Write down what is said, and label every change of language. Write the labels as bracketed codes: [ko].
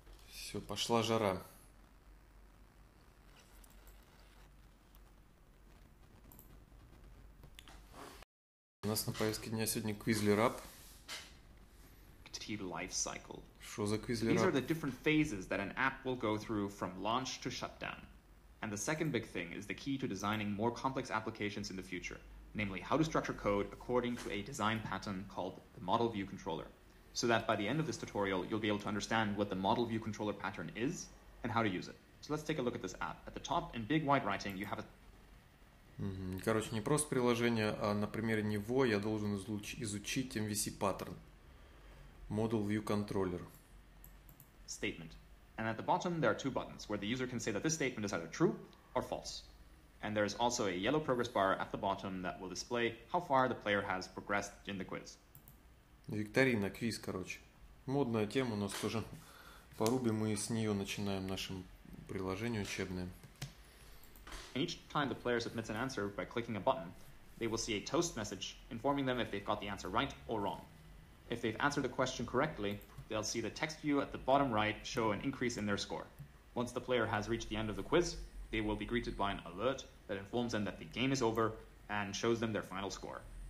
[ru] Все, пошла жара. У нас на повестке дня сегодня квизлераб. [en] Life cycle. [ru] Что за квизлераб? [en] These are the different phases that an app will go through from launch to shutdown. And the second big thing is the key to designing more complex applications in the future, namely how to structure code according to a design pattern called the model view controller, so that by the end of this tutorial you'll be able to understand what the model view controller pattern is and how to use it. So let's take a look at this app. At the top in big white writing you have a... [ru] Короче, не просто приложение, а на примере него я должен изучить MVC паттерн. [en] Model View Controller. Statement. And at the bottom, there are two buttons where the user can say that this statement is either true or false. And there is also a yellow progress bar at the bottom that will display how far the player has progressed in the quiz. [ru] Викторина, квиз, короче. Модная тема у нас тоже. Порубим, мы с нее начинаем наше приложение учебное. [en] And each time the player submits an answer by clicking a button, they will see a toast message informing them if they've got the answer right or wrong. If they've answered the question correctly, they'll see the text view at the bottom right show an increase in their score. Once the player has reached the end of the quiz, they will be greeted by an alert that informs them that the game is over and shows them their final score.